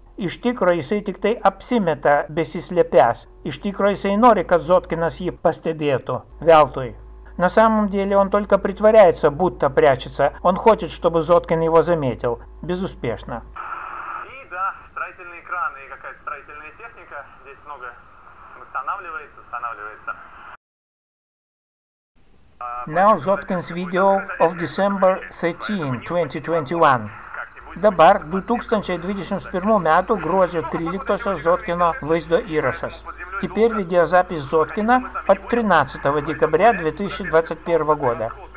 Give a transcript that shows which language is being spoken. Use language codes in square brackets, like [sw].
[lt] Iš tikro jisai tik tai apsimeta besislėpęs. Iš tikro jisai nori, kad Zotkinas jį pastebėtų. Veltui. [ru] На самом деле он только притворяется, будто прячется. Он хочет, чтобы Зоткин его заметил. Безуспешно. И да, строительные краны и какая-то строительная техника. Здесь много восстанавливается, устанавливается. [en] Now Zotkin's video of December 13, 2021. [lt] Dabar 2021 m. gruodžio 13-osios Zotkino vaizdo įrašas. [ru] Теперь видеозапись Зоткина от 13 декабря 2021 года.